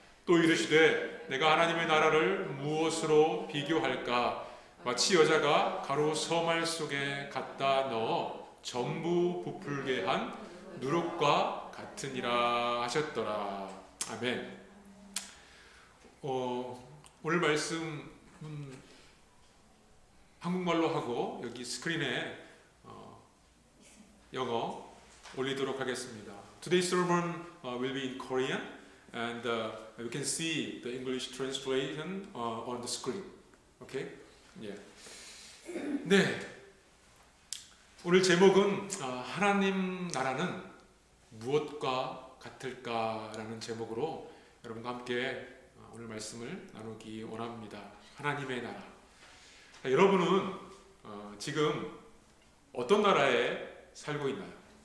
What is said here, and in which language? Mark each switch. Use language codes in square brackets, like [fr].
[ko] 또 이르시되 내가 하나님의 나라를 무엇으로 비교할까 마치 여자가 가루 서말 속에 갖다 넣어 전부 부풀게 한 누룩과 같으니라 하셨더라 아멘 오늘 말씀 한국말로 하고 여기 스크린에 영어 올리도록 하겠습니다. [en] Today's sermon will be in Korean and you can see the English translation on the screen. Okay? Yeah. 네. [ko] 오늘 제목은 하나님 나라는 무엇과 같을까라는 제목으로 여러분과 함께 오늘 말씀을 나누기 원합니다. 하나님의 나라. 여러분은 지금 어떤 나라에 살고 있나요?